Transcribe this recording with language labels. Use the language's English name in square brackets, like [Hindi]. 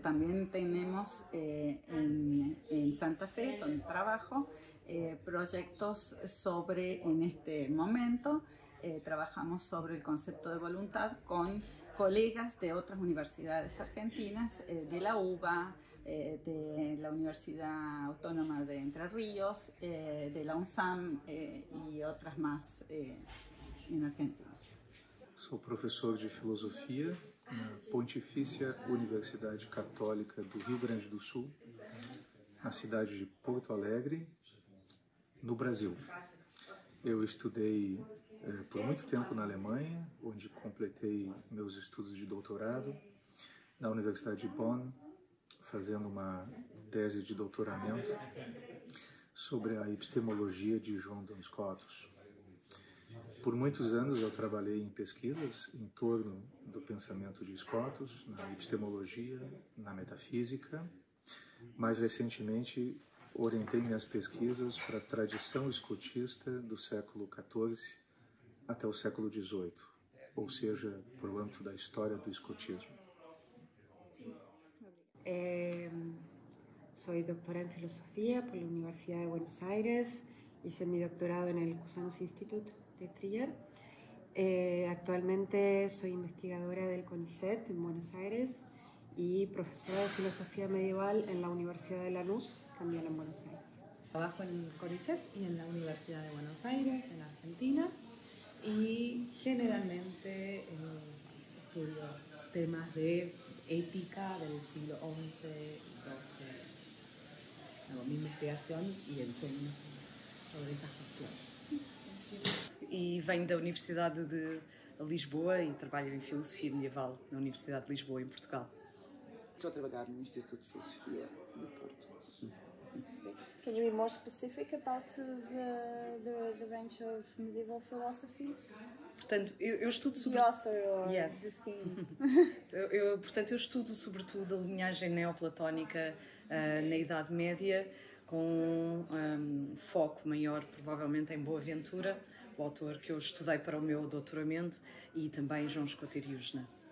[Spanish] También tenemos en Santa Fe, donde trabajo, proyectos sobre, en este momento, trabajamos sobre el concepto de voluntad con colegas de otras universidades argentinas, de la UBA, de la Universidad Autónoma de Entre Ríos, de la UNSAM y otras más en Argentina. Soy profesor de filosofía en la Pontificia Universidad Católica do Rio Grande do Sul, en la ciudad de Porto Alegre, [Portuguese] no Brasil. Eu estudei por muito tempo na Alemanha, onde completei meus estudos de doutorado, na Universidade de Bonn, fazendo uma tese de doutoramento sobre a epistemologia de João Duns Scotus. Por muitos anos eu trabalhei em pesquisas em torno do pensamento de Scotus, na epistemologia, na metafísica. Mais recentemente, orientei minhas pesquisas para a tradição escotista do século XIV até o século XVIII, ou seja, por âmbito da história do escotismo. [Spanish] Soy doctora en filosofía por la Universidad de Buenos Aires, hice mi doctorado en el Cusanos Institute de Trier, Actualmente soy investigadora del CONICET en Buenos Aires y profesora de filosofía medieval en la Universidad de Lanús, también en Buenos Aires. Trabajo en el CONICET y en la Universidad de Buenos Aires, en Argentina, y generalmente estudio temas de ética del siglo XI y XII. Hago mi investigación y enseño sobre esas cuestiones. [Portuguese] E venho da Universidade de Lisboa e trabalho em Filosofia Medieval na Universidade de Lisboa, em Portugal. Estou a trabalhar no Instituto de Filosofia do Porto. [English] Can you be more specific about the branch of medieval philosophy? [Portuguese] Portanto, eu estudo sobre... [English] The author or yes. The theme. [Portuguese] portanto, eu estudo sobretudo a linhagem neoplatónica na Idade Média, com um foco maior, provavelmente, em Boaventura, o autor que eu estudei para o meu doutoramento, e também João Escoto Eriúzna.